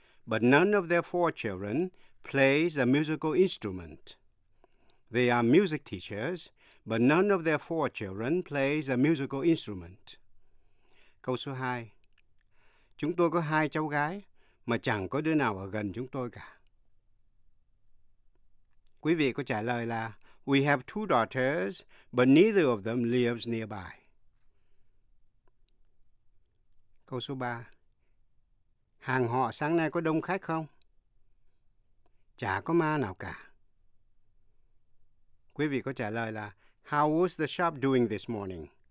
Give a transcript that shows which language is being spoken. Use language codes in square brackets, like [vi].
[en] but none of their four children plays a musical instrument. They are music teachers, but none of their four children plays a musical instrument. [vi] Câu số 2. Chúng tôi có hai cháu gái, mà chẳng có đứa nào ở gần chúng tôi cả. Quý vị có trả lời là [en] We have two daughters, but neither of them lives nearby. [vi] Câu số 3. Hàng họ sáng nay có đông khách không? Chả có ma nào cả. Quý vị có trả lời là [en] How was the shop doing this morning?